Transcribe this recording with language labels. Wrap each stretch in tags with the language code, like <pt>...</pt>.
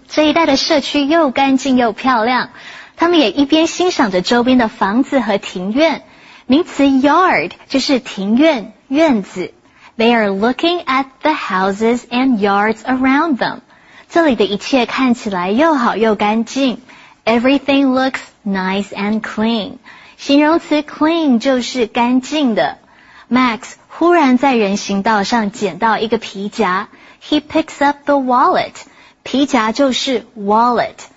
<zh>这一带的社区又干净又漂亮。他们也一边欣赏着周边的房子和庭院。名词 yard 就是庭院、院子。</zh> <en>They are looking at the houses and yards around them.</en> <zh>这里的一切看起来又好又干净。</zh> <en>Everything looks nice and clean.</en> <zh>形容词 clean 就是干净的。 Max 忽然在人行道上捡到一个皮夹。</zh> <en>He picks up the wallet.</en> <zh>皮夹就是 wallet。</zh>